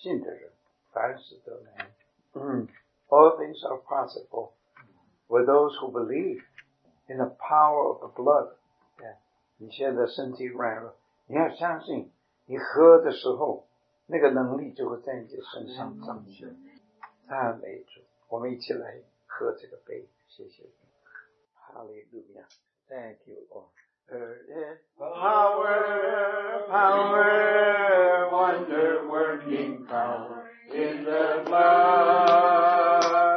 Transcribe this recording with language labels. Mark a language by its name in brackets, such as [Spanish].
[Chinese] 他就在我们当中。他的血是有功效的。我们要相信啊，圣经所说的哈，因他所受的鞭伤，我们得了医治。因他所受的鞭伤，我们得了医治。我们身体有软弱的啊，你要相信，在信的人啊就能。耶稣说，在信的人凡事都能。 [English] All things are possible with those who believe in the power of the blood. Yeah. [Chinese] 你现在身体软弱，你要相信，你喝的时候，那个能力就会在你身上彰显。赞美主，我们一起来喝这个杯，谢谢。Hallelujah. [English] Thank you, Lord. Power, power, wonder working power in the blood.